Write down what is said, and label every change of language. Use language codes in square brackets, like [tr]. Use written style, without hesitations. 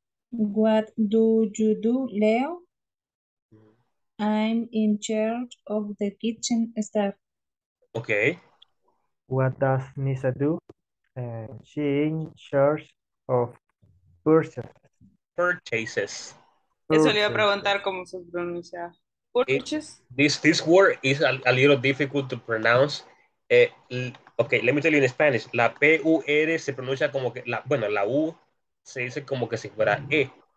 [en] What do you do, Leo? I'm in charge of the kitchen staff. Okay. What does Nisa do? She's in charge of purchases. Purchases. [es] Eso le iba a preguntar cómo se pronuncia. [en] Purchases. This word is a little difficult to pronounce. Okay, let me tell you in Spanish. [es] La P-U-R se pronuncia como que, la U se dice como que si fuera E.